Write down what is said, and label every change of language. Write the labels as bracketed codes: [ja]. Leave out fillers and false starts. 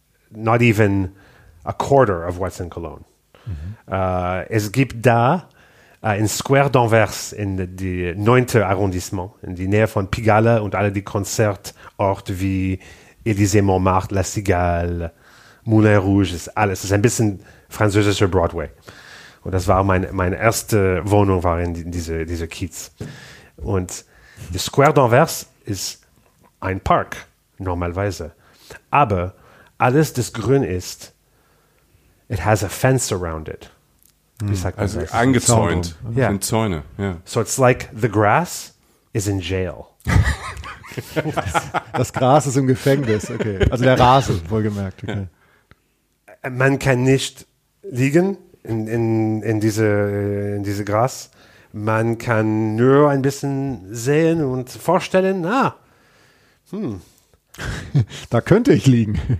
[en] Not even a quarter of what's in Cologne. Mhm. [de] Es gibt da ein Square d'Anvers in die 9. Arrondissement, in die Nähe von Pigalle und alle die Konzertorte wie Élysée Montmartre, La Cigale, Moulin Rouge, ist alles. Das ist ein bisschen französischer Broadway. Und das war meine erste Wohnung, war in diese Kiez. Und der Square d'Anvers ist ein Park, normalerweise. Aber alles, das grün ist, [en] it has a fence around it. [de] Also angezäunt. Ja. Sind Zäune. [en] Yeah. So it's like the grass is in jail. [de] Das Gras ist im Gefängnis, okay. Also der Rasen, wohlgemerkt. Okay. Man kann nicht liegen in diese Gras. Man kann nur ein bisschen sehen und vorstellen, da könnte ich liegen.